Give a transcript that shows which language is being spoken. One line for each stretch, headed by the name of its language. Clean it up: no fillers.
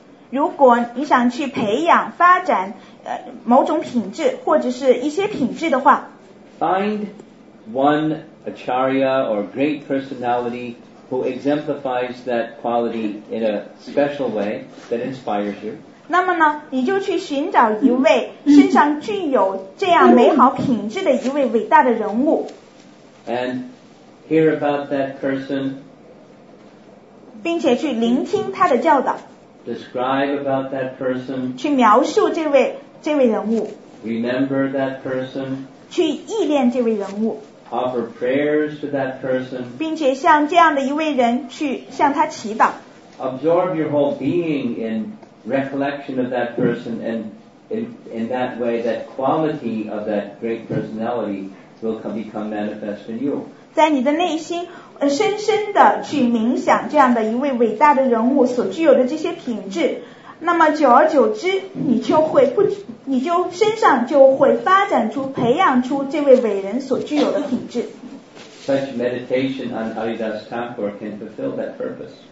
Chinese: 如果你想去培养发展某种品质或者是一些品质的话，
English: find one acharya or great personality who exemplifies that quality in a special way that inspires you.
Chinese: 那么呢，你就去寻找一位身上具有这样美好品质的一位伟大的人物。
English: And hear about that person.
Chinese: 并且去聆听他的教导。
English: Describe about that person.
Chinese: 去描述这位人物。
English: Remember that person.
Chinese: 去忆念这位人物。
English: Offer prayers to that person.
Chinese: 并且向这样的一位人去向他祈祷。
English: Absorb your whole being in. Recollection of that person and in that way that quality of that great personality will become manifest in you.
Chinese: 在你的内心深深的去冥想这样的一位伟大的人物所具有的这些品质，那么久而久之你就身上就会发展出培养出这位伟人所具有的品质。
English: Such meditation on Haridas Thakur can fulfill that purpose.